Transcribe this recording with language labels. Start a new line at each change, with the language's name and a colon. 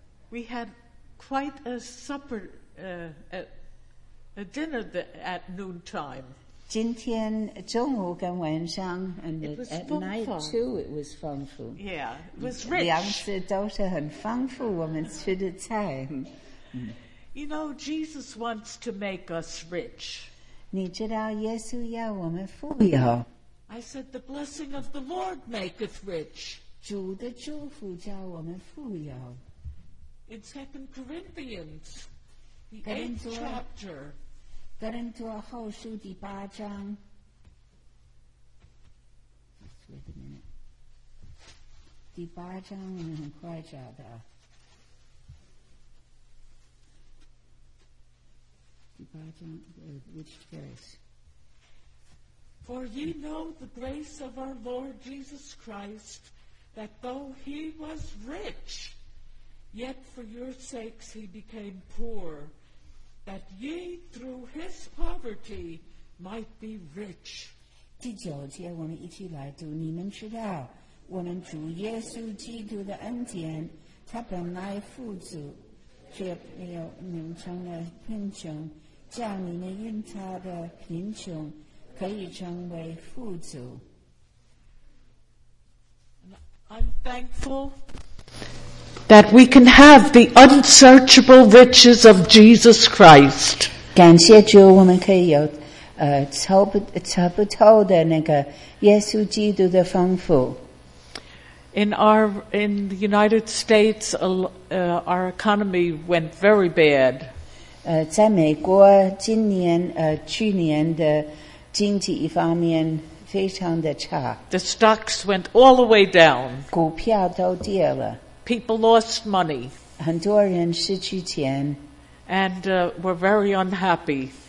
English: We had quite a supper, a dinner at noontime.
Chinese: 今天中午跟晚上 and at night too, it was 丰富
English: Yeah, it was rich.
Chinese: 两次都是很丰富我们吃的菜
English: You know, Jesus wants to make us rich.
Chinese: 你知道耶稣要我们富有
English: I said, the blessing of the Lord maketh rich.
Chinese: 主的祝福叫我们富有
English: In 2 Corinthians, the 8th chapter,
Chinese: 哥林多后书第八章 Just wait a minute. 第八章我们很快找到第八章 which verse?
English: For ye know the grace of our Lord Jesus Christ, that though he was rich, yet for your sakes he became poor. That ye through his poverty might be rich.
Chinese: 第九节我们一起来读你们知道我们主耶稣基督的恩典他本来富足却名称了贫穷叫你们因他的贫穷可以成为富足
English: I'm thankfulThat we can have the unsearchable riches of Jesus Christ.
Chinese: 感谢主，我们可以有凑不透的那个耶稣基督的丰富。
English: In the United States, our economy went very bad.
Chinese: 在美国今年去年的经济方面非常的差。
English: The stocks went all the way down.
Chinese: 股票都跌了。
English: People lost money.
Chinese: 很多人失去钱
English: And were very unhappy.